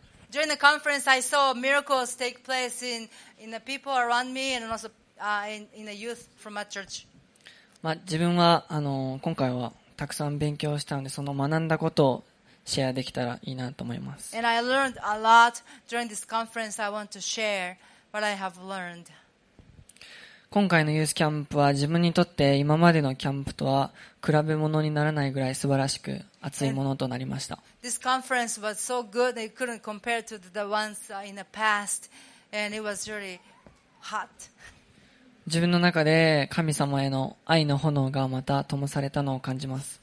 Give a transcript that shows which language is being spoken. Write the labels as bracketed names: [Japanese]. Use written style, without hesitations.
[English] During the conference, I saw miracles take place in the people around me and also in the youth from my church. [Japanese] まあ、自分は今回はたくさん勉強したので、その学んだことをシェアできたらいいなと思います。 [English] And I learned a lot during this conference. I want to share what I have learned. [Japanese] 今回のユースキャンプは自分にとって今までのキャンプとは比べ物にならないぐらい素晴らしく熱いものとなりました。 [English] And this conference was so good it couldn't compare to the ones in the past, and it was really hot. [Japanese] 自分の中で神様への愛の炎がまた灯されたのを感じます。